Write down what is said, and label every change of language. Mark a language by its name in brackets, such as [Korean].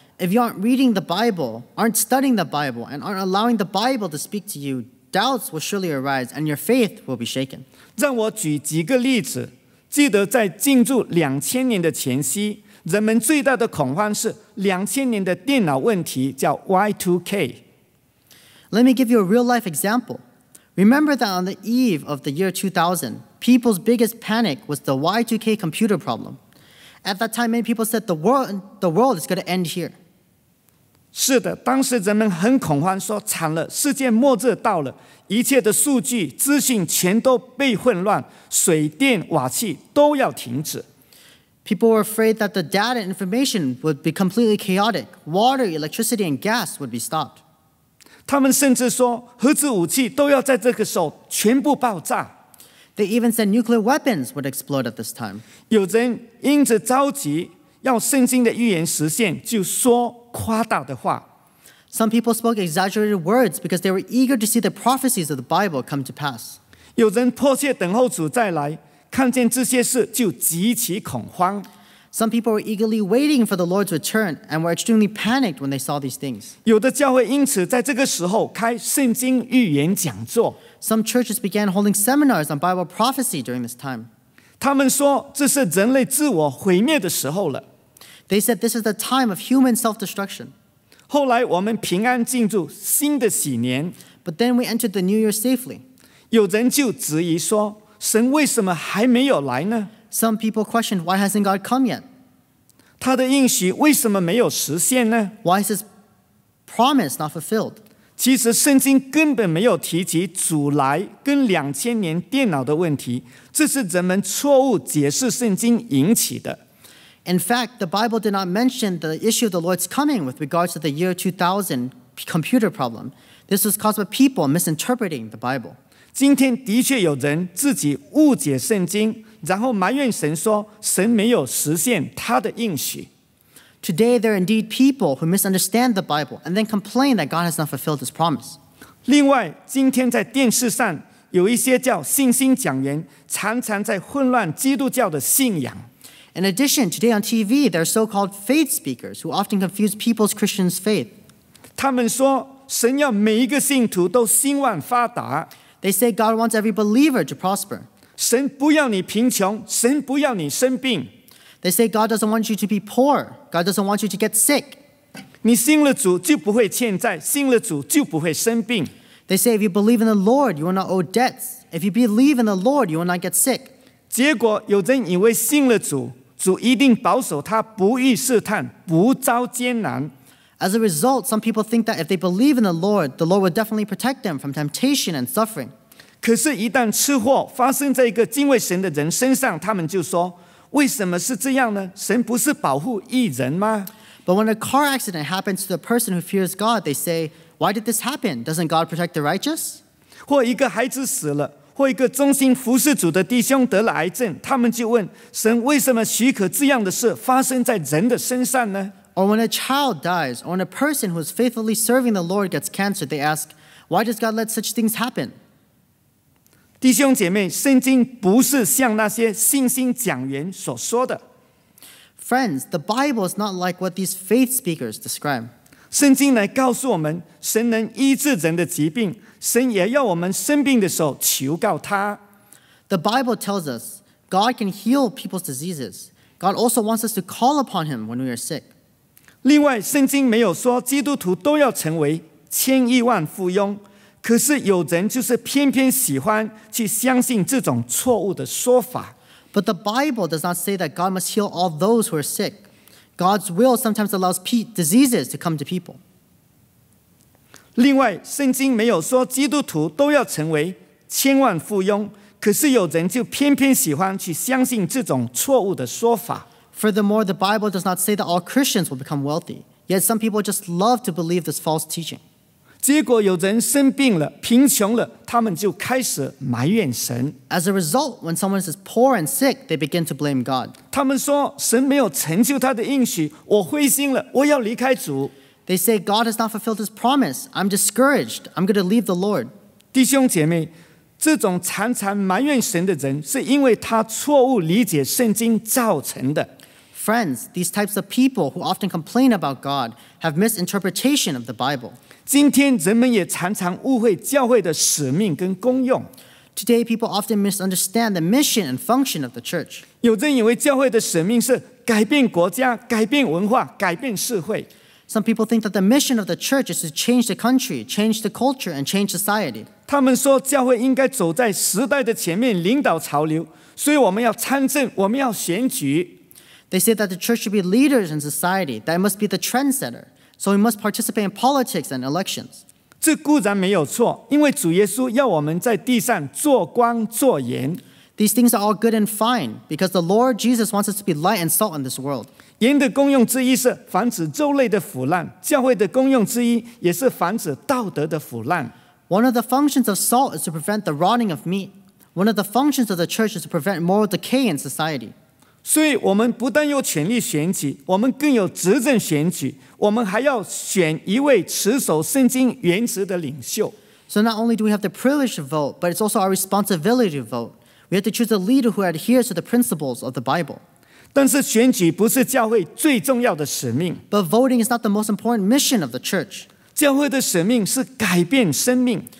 [English] If you aren't reading the Bible, aren't studying the Bible, and aren't allowing the Bible to speak to you, doubts will surely arise, and your faith will be shaken. [Chinese] 让我举几个例子。记得在进驻2000年的前夕，人们最大的恐慌是2000年的电脑问题，叫 Y2K。 [English] Let me give you a real-life example. Remember that on the eve of the year 2000, people's biggest panic was the Y2K computer problem. At that time, many people said the world is going to end here. [Chinese] 是的，当时人们很恐慌，说惨了，世界末日到了，一切的数据、资讯全都被混乱，水电、瓦气都要停止。 [English] People were afraid that the data and information would be completely chaotic. Water, electricity, and gas would be stopped. [Chinese] 他们甚至说核子武器都要在这个时候全部爆炸。 [English] They even said nuclear weapons would explode at this time. [Chinese] 有人因着着急要圣经的预言实现，就说夸大的话。 [English] Some people spoke exaggerated words because they were eager to see the prophecies of the Bible come to pass. [Chinese] 有人迫切等候主再来，看见这些事就极其恐慌。 [English] Some people were eagerly waiting for the Lord's return and were extremely panicked when they saw these things. [Chinese] 有的教会因此在这个时候开圣经预言讲座。 [English] Some churches began holding seminars on Bible prophecy during this time. [Chinese] 他们说这是人类自我毁灭的时候了。 [English] They said this is the time of human self-destruction. [Chinese] 后来我们平安进入新的禧年。 [English] But then we entered the new year safely. [Chinese] 有人就质疑说神为什么还没有来呢？ [English] Some people questioned, why hasn't God come yet? [Chinese] 他的应许为什么没有实现呢? [English] Why is his promise not fulfilled? [Chinese] 其实圣经根本没有提及主来跟2000年电脑的问题，这是人们错误解释圣经引起的。 [English] In fact, the Bible did not mention the issue of the Lord's coming with regards to the year 2000 computer problem. This was caused by people misinterpreting the Bible. [Chinese] 今天的确有人自己误解圣经，然后埋怨神说神没有实现他的应许。 [English] Today there are indeed people who misunderstand the Bible and then complain that God has not fulfilled his promise. [Chinese] 另外，今天在电视上有一些叫信心讲员常常在混乱基督教的信仰。 [English] In addition, today on TV there are so-called faith speakers who often confuse people's Christian faith. [Chinese] 他们说神要每一个信徒都兴旺发达。 [English] They say God wants every believer to prosper. [Chinese] 神不要你贫穷，神不要你生病。 [English] They say God doesn't want you to be poor. God doesn't want you to get sick. [Chinese] 你信了主就不会欠债，信了主就不会生病。 [English] They say if you believe in the Lord, you will not owe debts. If you believe in the Lord, you will not get sick. [Chinese] 结果有人以为信了主，主一定保守他不遇试探，不遭艰难。 [English] As a result, some people think that if they believe in the Lord will definitely protect them from temptation and suffering. [Chinese] 可是一旦吃货发生在一个敬畏神的人身上，他们就说，为什么是这样呢？神不是保护义人吗？ [English] But when a car accident happens to the person who fears God, they say, why did this happen? Doesn't God protect the righteous? [Chinese] 或一个孩子死了，或一个忠心服侍主的弟兄得了癌症，他们就问，神为什么许可这样的事发生在人的身上呢？ [English] Or when a child dies, or when a person who is faithfully serving the Lord gets cancer, they ask, why does God let such things happen? [Chinese] 弟兄姐妹，圣经不是像那些信心讲员所说的。 [English] Friends, the Bible is not like what these faith speakers describe. [Chinese] 圣经来告诉我们，神能医治人的疾病，神也要我们生病的时候求告他。 [English] The Bible tells us God can heal people's diseases. God also wants us to call upon him when we are sick. [Chinese] 另外，圣经没有说基督徒都要成为千亿万富翁。可是有人就是偏偏喜欢去相信这种错误的说法。 [English] But the Bible does not say that God must heal all those who are sick. God's will sometimes allows diseases to come to people. [Chinese] 另外，圣经没有说基督徒都要成为千万富翁，可是有人就偏偏喜欢去相信这种错误的说法。 [English] Furthermore, the Bible does not say that all Christians will become wealthy. Yet some people just love to believe this false teaching. [Chinese] 结果有人生病了，贫穷了，他们就开始埋怨神。 [English] As a result, when someone is poor and sick, they begin to blame God. [Chinese] 他们说神没有成就他的应许，我灰心了，我要离开主。 [English] They say God has not fulfilled his promise. I'm discouraged. I'm going to leave the Lord. [Chinese] 弟兄姐妹，这种常常埋怨神的人，是因为他错误理解圣经造成的。 [English] Friends, these types of people who often complain about God have misinterpretation of the Bible. [Chinese] 今天人们也常常误会教会的使命跟功用。 [English] Today, people often misunderstand the mission and function of the church. [Chinese] 有人以为教会的使命是改变国家、改变文化、改变社会。 [English] Some people think that the mission of the church is to change the country, change the culture, and change society. [Chinese] 他们说教会应该走在时代的前面，领导潮流，所以我们要参政，我们要选举。 [English] They say that the church should be leaders in society, that it must be the trendsetter, so we must participate in politics and elections. [Chinese] 这固然没有错，因为主耶稣要我们在地上做光做盐。 [English] These things are all good and fine, because the Lord Jesus wants us to be light and salt in this world. [Chinese] 盐的功用之一是防止肉类的腐烂，教会的功用之一也是防止道德的腐烂。 [English] One of the functions of salt is to prevent the rotting of meat. One of the functions of the church is to prevent moral decay in society. [Chinese] 所以我们不但有权利选举，我们更有责任选举，我们还要选一位持守圣经原则的领袖。 [English] So not only do we have the privilege to vote, but it's also our responsibility to vote. We have to choose a leader who adheres to the principles of the Bible. [Chinese] 但是选举不是教会最重要的使命。 [English] But voting is not the most important mission of the church. [Chinese] 教会的使命是改变生命。